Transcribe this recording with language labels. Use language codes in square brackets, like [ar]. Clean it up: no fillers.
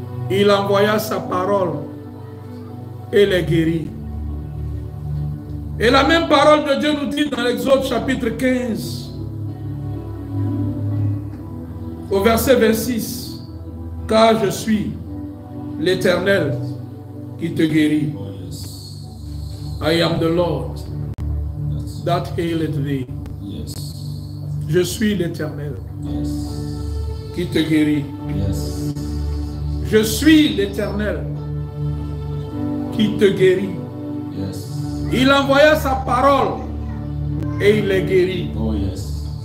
[fr] Il envoya sa parole et les guérit. Et la même parole de Dieu nous dit dans l'Exode chapitre 15, au verset 26, car je suis l'Éternel qui te guérit. [en] I am the Lord that healeth thee. [fr] Je suis l'Éternel qui te guérit. Je suis l'Éternel qui te guérit. [en] Yes. [fr] Il envoya sa parole et il les guérit. [en] Oh, yes.